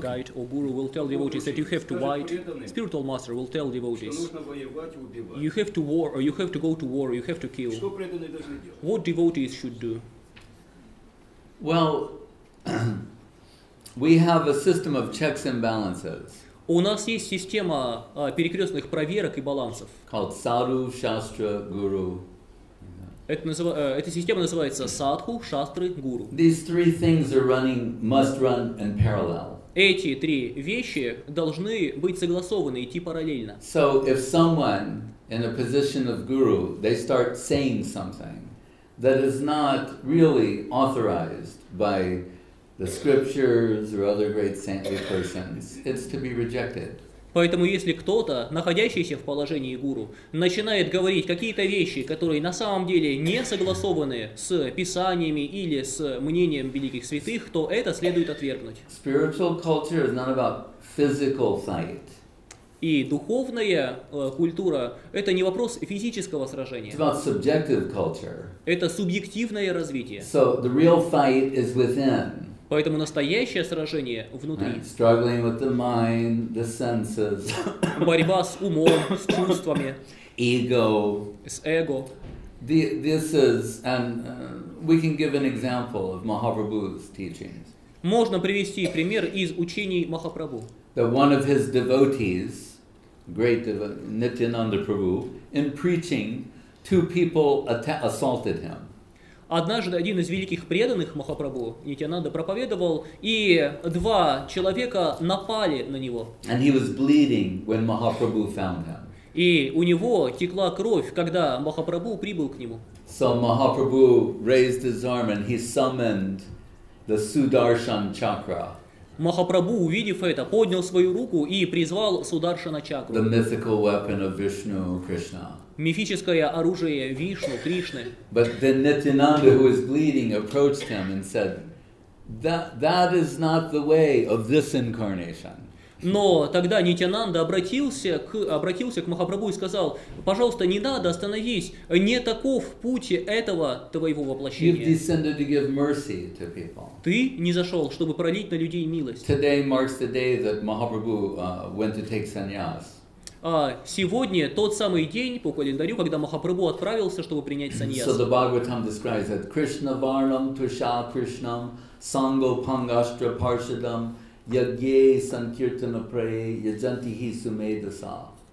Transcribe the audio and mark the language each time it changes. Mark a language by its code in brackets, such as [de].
[en] Guide or guru will tell devotees that you have to fight. Spiritual master will tell devotees. You have to war, or you have to go to war, you have to kill. What devotees should do? Well, we have a system of checks and balances. [ru] У нас есть система перекрестных проверок и балансов. [en] Called sadhu, shastra, guru. [ru] Эта система называется садху, шастры, гуру. [en] These three things are running, must run in parallel. [ru] Эти три вещи должны быть согласованы, идти параллельно. [en] So if someone in a position of guru, they start saying something that is not really authorized by the scriptures or other great saintly persons, it's to be rejected. [ru] Поэтому если кто-то, находящийся в положении гуру, начинает говорить какие-то вещи, которые на самом деле не согласованы с писаниями или с мнением великих святых, то это следует отвергнуть. [en] Spiritual culture is not about physical fight. [ru] И духовная культура – это не вопрос физического сражения. [en] It's about subjective culture. [ru] Это субъективное развитие. [en] So the real fight is within. [ru] Поэтому настоящее сражение внутри. [en] Right. Struggling with the mind, the senses. [ru] Борьба с умом, с чувствами. [en] Ego. [ru] С эго. [en] This is, and we can give an example of Mahaprabhu's teachings. [ru] Можно привести пример из учений Махапрабху. [en] That one of his devotees, great devotee, Nityananda Prabhu, in preaching, two people assaulted him. [ru] Однажды один из великих преданных Махапрабху, Нитянанда, проповедовал, и два человека напали на него. [en] And he was bleeding when Mahaprabhu found him. [ru] И у него текла кровь, когда Махапрабху прибыл к нему. [en] So Mahaprabhu raised his arm and he summoned the Sudarshan Chakra. [ru] Махапрабху, увидев это, поднял свою руку и призвал Сударшана Чакру. [en] The mythical weapon of Vishnu, Krishna. [ru] Мифическое оружие Вишну, Кришны. [en] But then Nityananda, who was bleeding, approached him and said, that is not the way of this incarnation. [ru] Но тогда Нитянанда обратился к Махапрабху и сказал, пожалуйста, не надо, остановись, не таков путь этого твоего воплощения. [en] You've descended to give mercy to people. [ru] Ты не зашел, чтобы пролить на людей милость. [en] Today marks the day that Mahaprabhu went to take sannyas. [ru] Сегодня тот самый день по календарю, когда Махапрабху отправился, чтобы принять саньяс. [en] So the Bhagavatam describes that [sa] Krishna Varnam Tusha Krishnam Sango Pangashtra Parshadam Yagye Sankirtana Praye Yajanti Hisumedasa.